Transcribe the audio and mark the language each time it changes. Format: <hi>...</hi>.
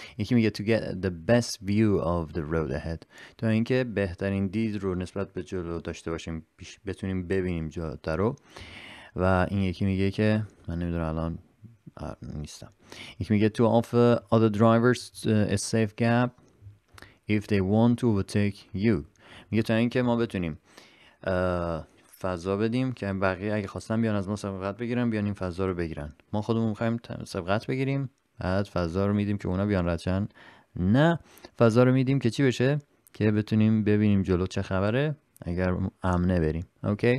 <fa>یکی میگه</fa> <en>to get the best view of the road ahead،</en> <fa>تا اینکه بهترین دید رو نسبت به جلو داشته باشیم، بتونیم ببینیم جاده رو. و این یکی میگه که من نمیدونم الان نیستم. یکی میگه</fa> <en>to offer other drivers a safe gap if they want to overtake you.</en> <fa>میگه تا اینکه ما بتونیم فضا بدیم که بقیه اگه خواستن بیان از ما سبقت بگیرن، بیان این فضا رو بگیرن، ما خودمون میخواییم سبقت بگیریم، بعد فضا رو میدیم که اونا بیان ردشن. نه، فضا رو میدیم که چی بشه؟ که بتونیم ببینیم جلو چه خبره اگر امنه بریم. اوکی.</fa>